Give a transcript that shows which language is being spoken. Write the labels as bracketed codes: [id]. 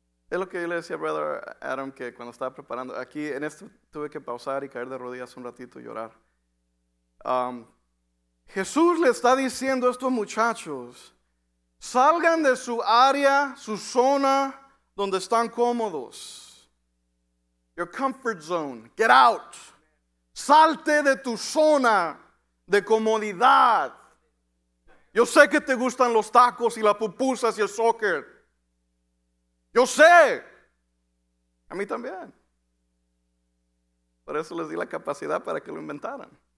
[es] Es lo que yo le decía a Brother Adam, que cuando estaba preparando, aquí en esto tuve que pausar y caer de rodillas un ratito y llorar. Jesús le está diciendo a estos muchachos, salgan de su área, su zona donde están cómodos. [en] Your comfort zone, get out. [es] Salte de tu zona de comodidad. Yo sé que te gustan los tacos y las pupusas y el soccer. Yo sé, a mí también. Por eso les di la capacidad para que lo inventaran.